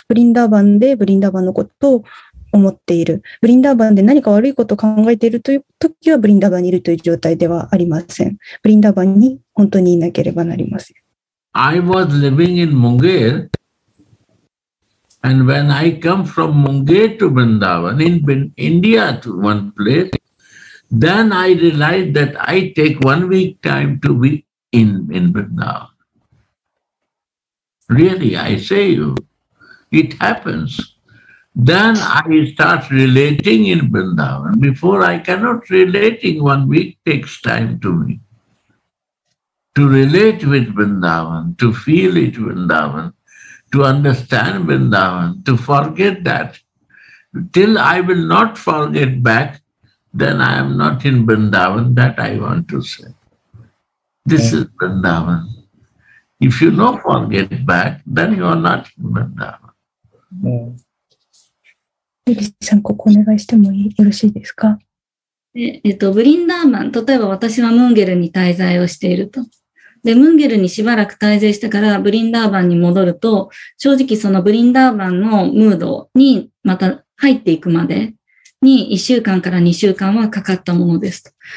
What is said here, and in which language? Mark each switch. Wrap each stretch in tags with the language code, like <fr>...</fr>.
<ja>ブリンダーバンにいて、他の町だとか自分の住んでいる場所のことを考えていてはいけません。ブリンダーバンでブリンダーバンのことを 思っている。ブリンダーバンで何か悪いことを考えているときは、ブリンダーバンにいるという状態ではありません。ブリンダーバンに本当にいなければなりません。</ja> <en>I was living in Munger, and when I come from Munger to Vrindavan, in India to one place, then I realized that I take 1 week time to be in Vrindavan. Really, I say you, it happens. Then I start relating in Vrindavan. Before I cannot relate, 1 week takes time to me. To relate with Vrindavan, to feel it Vrindavan, to understand Vrindavan, to forget that. Till I will not forget back, then I am not in Vrindavan, that I want to say. This is Vrindavan. If you don't forget back, then you are not in Vrindavan.</en> <ja>ゆりさん、ここお願いしてもよろしいですか？ブリンダーマン、例えば私はムンゲルに滞在をしていると。で、ムンゲルにしばらく滞在してからブリンダーバンに戻ると、正直そのブリンダーバンのムードにまた入っていくまでに1週間から2週間はかかったものですと。</ja>